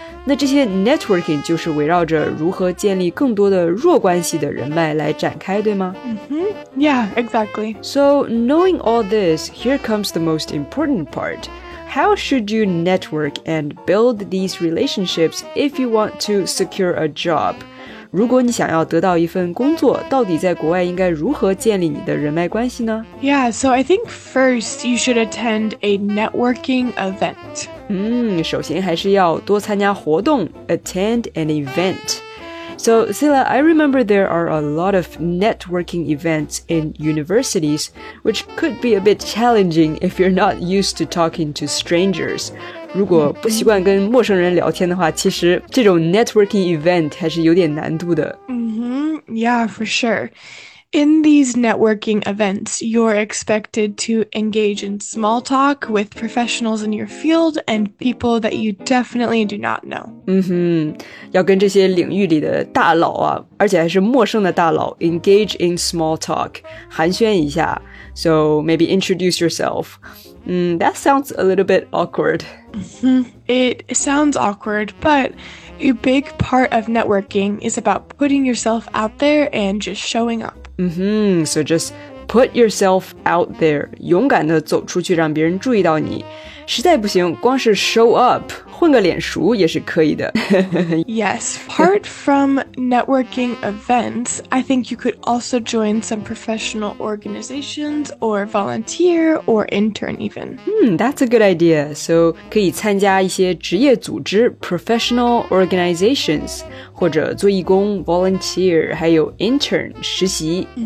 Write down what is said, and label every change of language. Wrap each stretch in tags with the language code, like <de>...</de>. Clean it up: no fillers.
<zh>那这些 networking 就是围绕着如何建立更多的弱关系的人脉来展开，对吗？</zh> <en>Mm-hmm. Yeah, exactly. So knowing all this, here comes the most important part. How should you network and build these relationships if you want to secure a job?</en> <zh>如果你想要得到一份工作，到底在国外应该如何建立你的人脉关系呢？</zh> <en>Yeah, so I think first you should attend a networking event.</en> <zh>嗯，首先还是要多参加活动，</zh> <en>attend an event. So, Sila, I remember there are a lot of networking events in universities, which could be a bit challenging if you're not used to talking to strangers.</en> <zh>如果不习惯跟陌生人聊天的话，其实这种 networking event 还是有点难度的。</zh> <en>Mm-hmm. Yeah, for sure. In these networking events, you're expected to engage in small talk with professionals in your field and people that you definitely do not know.</en> <zh>嗯哼，要跟这些领域里的大佬啊，而且还是陌生的大佬</zh> <en>engage in small talk,</en> <zh>寒暄一下。</zh> <en>So maybe introduce yourself. That sounds a little bit awkward. It sounds awkward, but a big part of networking is about putting yourself out there and just showing up. Mm-hmm. So just put yourself out there.</en> <zh>勇敢地走出去让别人注意到你。实在不行，光是 show up, 混个脸熟也是可以的。</zh> <en>Yes, apart from networking events, I think you could also join some professional organizations or volunteer or intern even. That's a good idea.</en> <zh>So, 可以参加一些职业组织 professional organizations, 或者做义工 volunteer, 还有 intern, 实习。</zh>